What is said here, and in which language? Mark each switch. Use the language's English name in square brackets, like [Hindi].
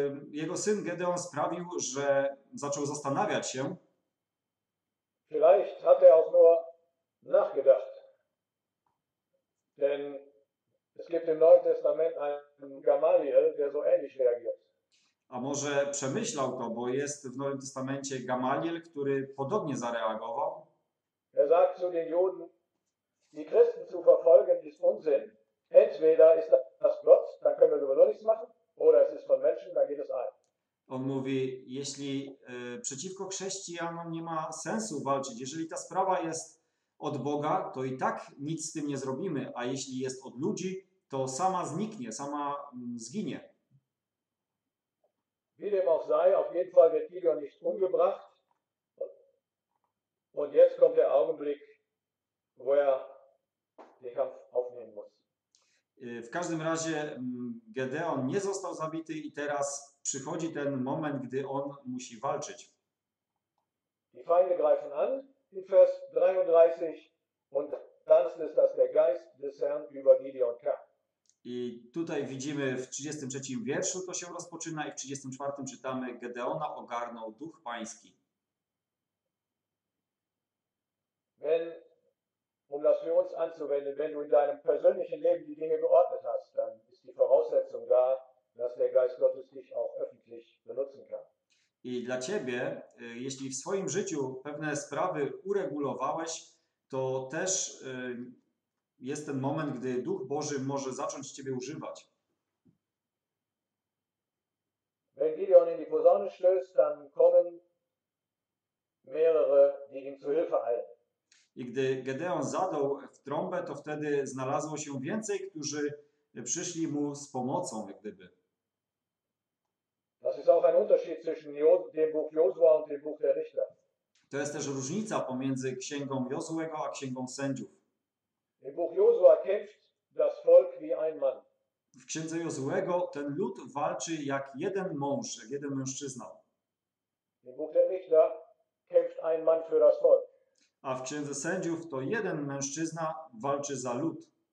[Polish] jego syn Gedeon sprawił, że zaczął zastanawiać się. [German] Vielleicht hat er auch nur nachgedacht. Denn es gibt im Neuen Testament einen Gamaliel, der so ähnlich reagiert. [Polish] A może przemyślał to, bo jest w Nowym Testamencie Gamaliel, który podobnie zareagował. [German] Er sagt zu den Juden, die Christen zu verfolgen ist Unsinn. Entweder ist das Gott, dann können wir sowieso nichts machen, oder es ist von Menschen, dann geht es ein. [Polish] On mówi, jeśli przeciwko chrześcijanom nie ma sensu walczyć, jeżeli ta sprawa jest od Boga, to i tak nic z tym nie zrobimy, a jeśli jest od ludzi, to sama zniknie, sama zginie. [German] Wie dem auch sei, auf jeden Fall wird Gideon nicht umgebracht. Und jetzt kommt der Augenblick, wo er den Kampf aufnehmen muss. [Polish] W każdym razie Gedeon nie został zabity i teraz przychodzi ten moment, gdy on musi walczyć. [German] Die Feinde greifen an in Vers 33 und dann ist es, dass der Geist des Herrn über Gideon kam. [Polish] I tutaj widzimy w 33 wierszu to się rozpoczyna i w 34 czytamy Gedeona ogarnął Duch Pański. [German] Wenn, um das für uns anzuwenden, wenn du in deinem persönlichen Leben die Dinge geordnet hast, dann ist die Voraussetzung da, dass der Geist Gottes dich auch öffentlich benutzen kann. [Polish] I dla ciebie, jeśli w swoim życiu pewne sprawy uregulowałeś, to też jest ten moment, gdy Duch Boży może zacząć ciebie używać. [German] Wenn Gideon in die Posaune stößt, dann kommen mehrere, die ihm zu Hilfe eilen. [Polish] I gdy Gedeon zadał w trąbę, to wtedy znalazło się więcej, którzy przyszli mu z pomocą, jak gdyby. [German] Das ist auch ein Unterschied zwischen dem Buch Josua und dem Buch der Richter. [Polish] To jest też różnica pomiędzy Księgą Jozuego a Księgą Sędziów. [German] Im Buch Josua kämpft das Volk wie ein Mann. [Polish] W Księdze Jozuego ten lud walczy jak jeden mąż, jak jeden mężczyzna. [German] Im Buch der Richter kämpft ein Mann für das Volk. [Polish] A w Księdze Sędziów to jeden mężczyzna walczy za lud.